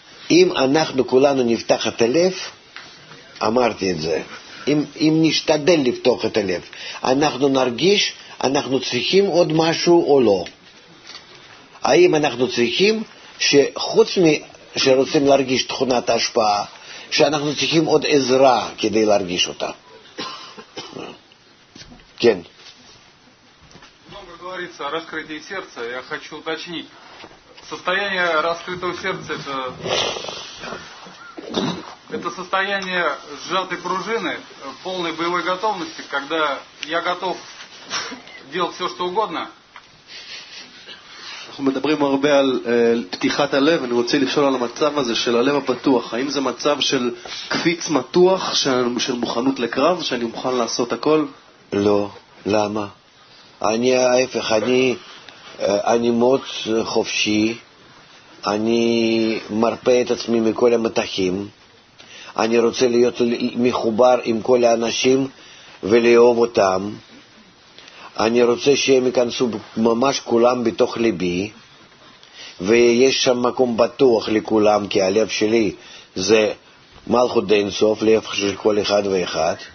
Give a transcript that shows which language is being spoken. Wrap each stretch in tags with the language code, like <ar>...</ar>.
<he>אם אנחנו כולנו נפתח את הלב, אמרתי את זה, אם נשתדל לפתוח את הלב, אנחנו נרגיש, אנחנו צריכים עוד משהו או לא? האם אנחנו צריכים, שחוץ שרוצים להרגיש תכונת ההשפעה, שאנחנו צריכים עוד עזרה כדי להרגיש אותה? Кен.</he> <ru>Много говорится о раскрытии сердца. Я хочу уточнить. Состояние раскрытого сердца это состояние сжатой пружины, полной боевой готовности, когда я готов делать все, что угодно.</ru> <he>אנחנו מדברים הרבה על פתיחת הלב, אני רוצה לשאול על המצב הזה של הלב הפתוח. האם זה מצב של קפיץ מתוח, של מוכנות לקרב, שאני מוכן לעשות הכל? לא, למה? אני ההפך, אני מאוד חופשי, אני מרפא את עצמי מכל המתחים, אני רוצה להיות מחובר עם כל האנשים ולאהוב אותם, אני רוצה שהם ייכנסו ממש כולם בתוך ליבי, ויש שם מקום בטוח לכולם, כי הלב שלי זה מלכות דיינסוף, לב של כל אחד ואחד.</he>